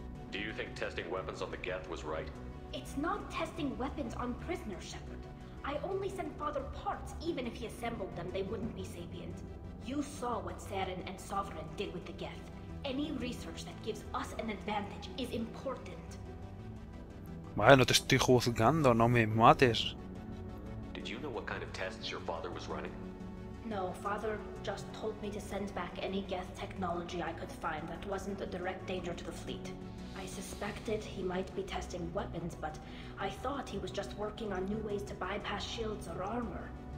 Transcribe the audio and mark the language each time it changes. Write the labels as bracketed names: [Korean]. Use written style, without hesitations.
[English] do you think testing weapons on the Geth was right? It's not testing weapons on prisoners, Shepard. I only sent Father parts. Even if he assembled them, they wouldn't be sapient. You saw what Saren and Sovereign did with the Geth. Any research that gives us an advantage is important. [Spanish] Vale, no te estoy juzgando, no me mates. [English] Did you know what kind of tests your father was running? No, Father just told me to send back any Geth technology I could find that wasn't a direct danger to the fleet. I suspected he might be testing weapons, but I thought he was just working on new ways to bypass shields or armor.